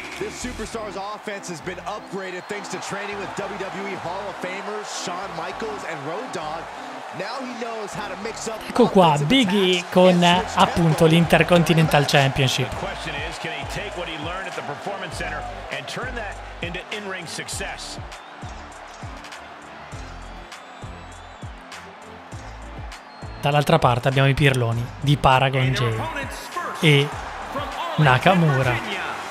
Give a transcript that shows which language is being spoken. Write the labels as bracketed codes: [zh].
[en] Superstar's offense has been upgraded thanks to training with WWE Hall of Famers Shawn Michaels and Road Dogg. Now he knows how to mix up. [it] Ecco qua Big E con appunto l'Intercontinental Championship. [en] The question is, can he take what he learned at the Performance Center and turn that into in-ring success? [it] Dall'altra parte abbiamo i pirloni di Paragon J e Nakamura.